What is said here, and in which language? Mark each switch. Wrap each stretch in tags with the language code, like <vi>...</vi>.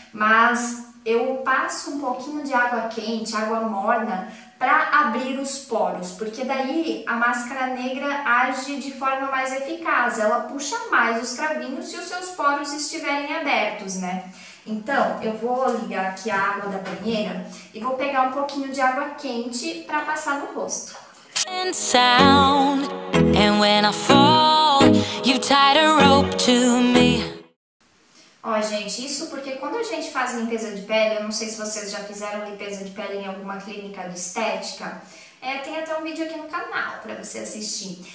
<pt>Mas eu passo um pouquinho de água quente, água morna, pra abrir os poros, porque daí a máscara negra age de forma mais eficaz, ela puxa mais os cravinhos se os seus poros estiverem abertos, né? Então, eu vou ligar aqui a água da banheira e vou pegar um pouquinho de água quente pra passar no rosto.</pt> <en>And sound, and when I fall, you tied a rope to me.</en> <pt>Ó, gente, isso porque quando a gente faz limpeza de pele, eu não sei se vocês já fizeram limpeza de pele em alguma clínica de estética, tem até um vídeo aqui no canal pra você assistir.</pt>